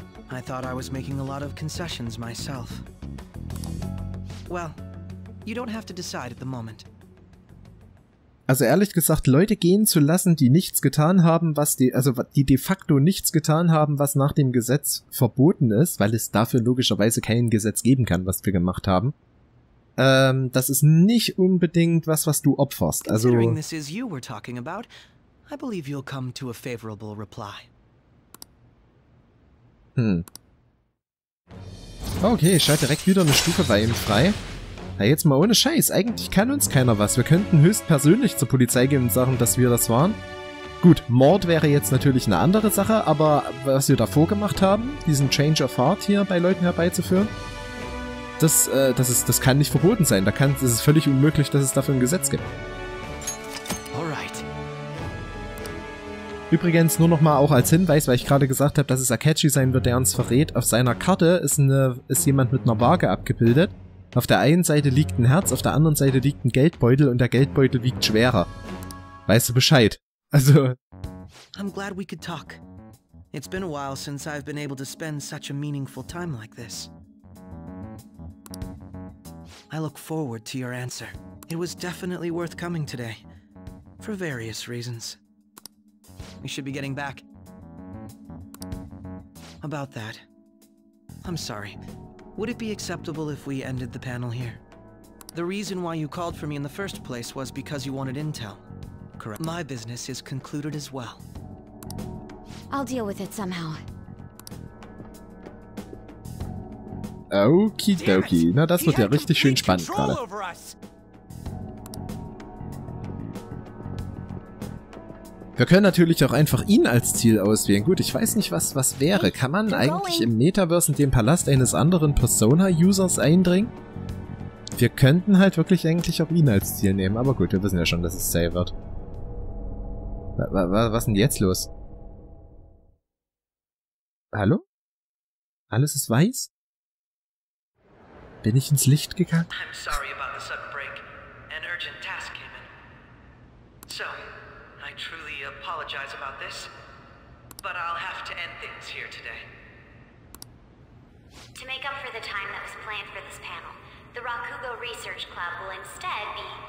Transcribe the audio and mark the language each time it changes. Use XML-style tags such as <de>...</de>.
<en>I thought I was making a lot of concessions myself. Well, you don't have to decide at the moment.</en> <de>Also ehrlich gesagt, Leute gehen zu lassen, die nichts getan haben, die de facto nichts getan haben, was nach dem Gesetz verboten ist, weil es dafür logischerweise kein Gesetz geben kann, was wir gemacht haben. Das ist nicht unbedingt was du opferst. Also,</de> <en>considering this is you we're talking about, I believe you'll come to a favorable reply.</en> <de>Okay, schalt direkt wieder eine Stufe bei ihm frei. Na, jetzt mal ohne Scheiß, eigentlich kann uns keiner was. Wir könnten höchstpersönlich zur Polizei gehen und sagen, dass wir das waren. Gut, Mord wäre jetzt natürlich eine andere Sache, aber was wir davor gemacht haben, diesen Change of Heart hier bei Leuten herbeizuführen, das kann nicht verboten sein. Es ist völlig unmöglich, dass es dafür ein Gesetz gibt.</de> <en>Alright.</en> <de>Übrigens nur nochmal auch als Hinweis, weil ich gerade gesagt habe, dass es Akechi sein wird, der uns verrät. Auf seiner Karte ist jemand mit einer Waage abgebildet. Auf der einen Seite liegt ein Herz, auf der anderen Seite liegt ein Geldbeutel und der Geldbeutel wiegt schwerer. Weißt du Bescheid? Also.</de> <en>I'm glad we could talk. It's been a while since I've been able to spend such a meaningful time like this. I look forward to your answer. It was definitely worth coming today. For various reasons. We should be getting back. About that. I'm sorry. Would it be acceptable if we ended the panel here? The reason why you called for me in the first place was because you wanted intel. Correct. My business is concluded as well. I'll deal with it somehow.</en> <de>Okidoki. Na, das wird ja richtig schön spannend gerade. Wir können natürlich auch einfach ihn als Ziel auswählen. Gut, ich weiß nicht, was wäre. Kann man eigentlich im Metaverse in den Palast eines anderen Persona-Users eindringen? Wir könnten halt wirklich eigentlich auch ihn als Ziel nehmen. Aber gut, wir wissen ja schon, dass es Sei wird. Was denn jetzt los? Hallo? Alles ist weiß? Bin ich ins Licht gegangen?</de> <en>I'm sorry about the sudden break. An urgent task came in. So, I truly apologize about this, but I'll have to end things here today. To make up for the time that was planned for this panel, the Rakugo Research Club will instead be...</en>